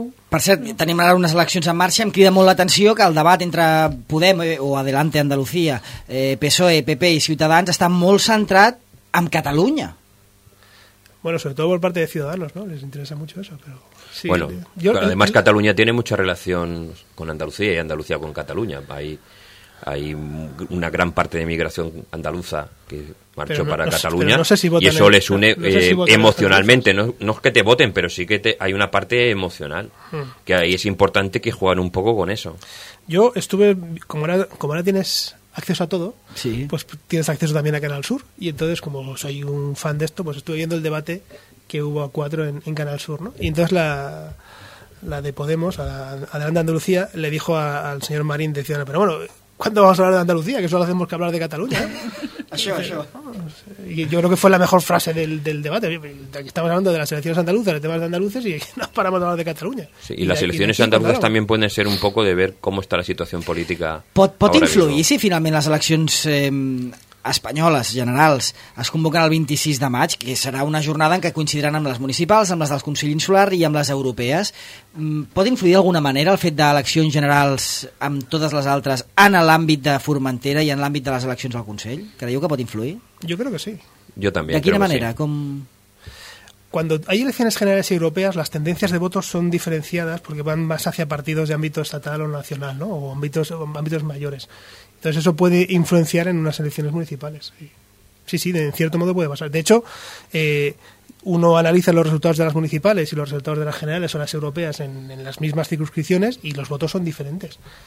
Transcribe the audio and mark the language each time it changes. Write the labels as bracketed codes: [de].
[ca] Per cert, tenim ara unes eleccions en marxa. Em crida molt l'atenció que el debat entre Podem o Adelante Andalucía, PSOE, PP i Ciutadans està molt centrat en Catalunya. [es] Bueno, sobre todo por parte de Ciudadanos, ¿no? Les interesa mucho eso, pero... Sí, bueno, yo, además Cataluña tiene mucha relación con Andalucía y Andalucía con Cataluña. Hay, hay una gran parte de migración andaluza que marchó para Cataluña, no sé si y eso les une emocionalmente. No es que te voten, pero sí que hay una parte emocional, que ahí es importante que jueguen un poco con eso. Yo estuve, como ahora tienes acceso a todo, sí, pues tienes acceso también a Canal Sur, y entonces, como soy un fan de esto, pues estuve viendo el debate que hubo a cuatro en Canal Sur, ¿no? Y entonces la de Podemos, Adelante Andalucía, le dijo al señor Marín de Ciudadanos, pero bueno, ¿cuándo vamos a hablar de Andalucía? Que solo hacemos que hablar de Cataluña. Y yo creo que fue la mejor frase del debate. Estamos hablando de las elecciones andaluzas, de temas de andaluces, y no paramos de hablar de Cataluña. Sí, y las elecciones andaluzas también pueden ser un poco de ver cómo está la situación política. [ca] ¿Pot influir [es] si finalmente las elecciones [ca] espanyoles, generals, es convoquen el 26 de maig, que serà una jornada en què coincidiran amb les municipals, amb les del Consell Insular i amb les europees? Pot influir d'alguna manera el fet d'eleccions generals amb totes les altres en l'àmbit de Formentera i en l'àmbit de les eleccions al Consell? Creieu que pot influir? Jo crec que sí. Jo també. De quina manera? Com... [es] Cuando hay elecciones generales y europeas, las tendencias de votos son diferenciadas porque van más hacia partidos de ámbito estatal o nacional, ¿no? o ámbitos mayores. Entonces eso puede influenciar en unas elecciones municipales. Sí, sí, en cierto modo puede pasar. De hecho, uno analiza los resultados de las municipales y los resultados de las generales o las europeas en las mismas circunscripciones y los votos son diferentes.